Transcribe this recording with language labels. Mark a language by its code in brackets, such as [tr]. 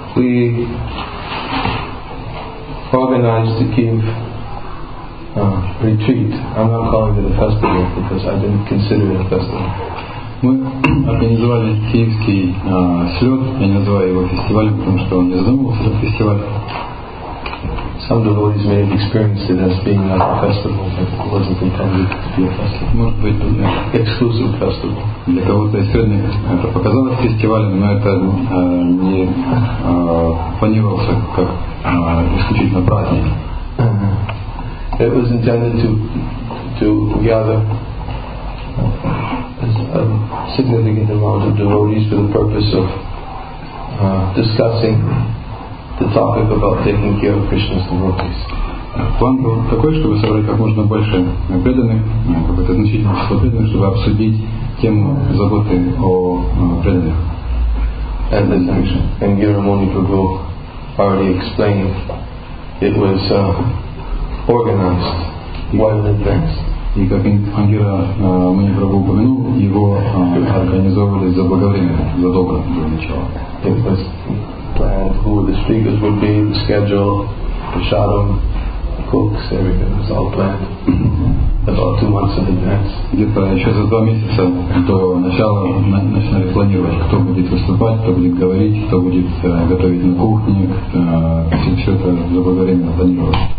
[en] we organized to give a retreat. I'm not calling it a festival because I didn't consider it a festival. [ru] Мы организовали киевский слет, я не называю его фестивалем, потому что он не задумывался как фестиваль. [en] Some devotees may have experienced it as being like a festival, but it wasn't intended to be a festival. [ru] Может быть, an [en] exclusive festival. [ru] Для кого-то сегодня это показалось фестивалем, но это не планировался как исключительно праздник. [en] It was intended to gather a significant amount of devotees for the purpose of discussing the topic about taking care of Krishna's devotees. [ru] План был такой, чтобы собрать как можно больше преданных, какое-то значительное число преданных, чтобы обсудить тему заботы о преданных. [en] And then Giramuni Prabhu already explained it was organized well in advance. [ru] И как Ангира Манипрабху упомянул, его организовывали заблаговременно, задолго до начала. [en] It was planned who the speakers would be, the schedule, the shadow, the cooks, everything was all planned about 2 months in advance. [ru] Где-то еще за 2 месяца до начала начинали планировать, кто будет выступать, кто будет говорить, кто будет готовить на кухне. Все это заблаговременно планировалось.